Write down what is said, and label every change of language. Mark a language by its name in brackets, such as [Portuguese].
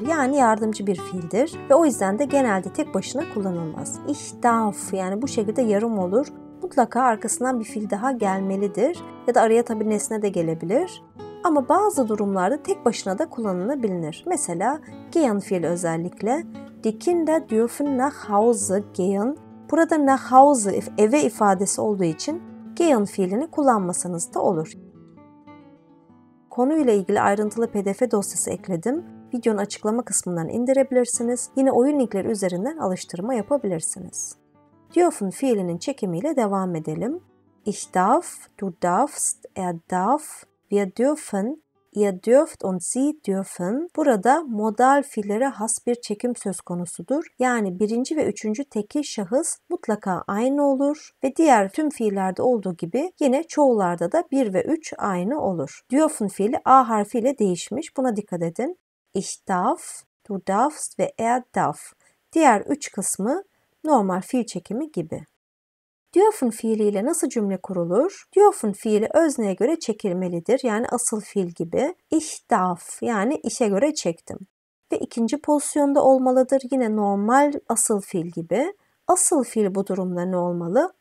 [Turkish] Yani yardımcı bir fiildir ve o yüzden de genelde tek başına kullanılmaz. [German] Ich darf, [Turkish] yani bu şekilde yarım olur. Mutlaka arkasından bir fiil daha gelmelidir ya da araya tabii nesne de gelebilir. Ama bazı durumlarda tek başına da kullanılabilir. Mesela gehen fiili özellikle. [German] Die Kinder dürfen nach Hause gehen. [Turkish] Burada nach Hause eve ifadesi olduğu için gehen fiilini kullanmasanız da olur. Konuyla ilgili ayrıntılı PDF dosyası ekledim. Videonun açıklama kısmından indirebilirsiniz. Yine oyun linkleri üzerinden alıştırma yapabilirsiniz. Dürfen fiilinin çekimiyle devam edelim. [German] Ich darf, du darfst, er darf, wir dürfen, ihr dürft und sie dürfen. [Turkish] Burada modal fiillere has bir çekim söz konusudur. Yani birinci ve üçüncü tekil şahıs mutlaka aynı olur ve diğer tüm fiillerde olduğu gibi yine çoğullarda da bir ve üç aynı olur. Dürfen fiili A harfiyle değişmiş. Buna dikkat edin. [German] Ich darf, du darfst ve er darf. [Turkish] Diğer üç kısmı normal fiil çekimi gibi. Dürfen fiiliyle nasıl cümle kurulur? Dürfen fiili özneye göre çekilmelidir. Yani asıl fiil gibi. [German] Ich darf, [Turkish] yani işe göre çektim. Ve ikinci pozisyonda olmalıdır. Yine normal asıl fiil gibi. Asıl fiil bu durumda ne olmalı?